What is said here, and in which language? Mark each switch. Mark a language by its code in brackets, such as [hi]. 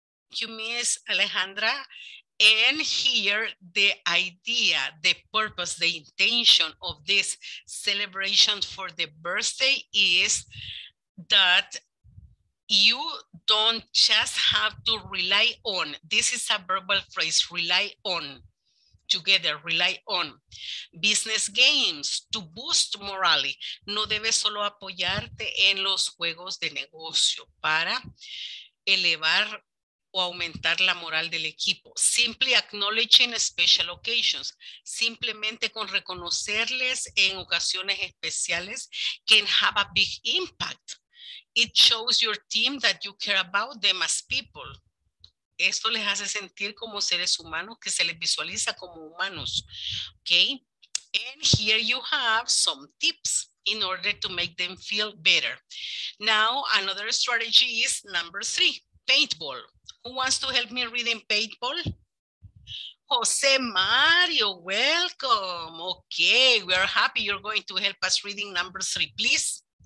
[en] You miss Alejandra, and here the idea, the purpose, the intention of this celebration for the birthday is that you don't just have to rely on, this is a verbal phrase, rely on, together, rely on business games to boost morale. [es] No debes solo apoyarte en los juegos de negocio para elevar o aumentar la moral del equipo. [en] Simply acknowledging special occasions. [es] Simplemente con reconocerles en ocasiones especiales [en] can have a big impact. It shows your team that you care about them as people. [es] Esto les hace sentir como seres humanos, que se les visualiza como humanos. [en] Okay. And here you have some tips in order to make them feel better. Now, another strategy is number three, paintball. Who wants to help me read in paintball? Jose Mario, welcome. Okay, we are happy you're going to help us reading number three, please.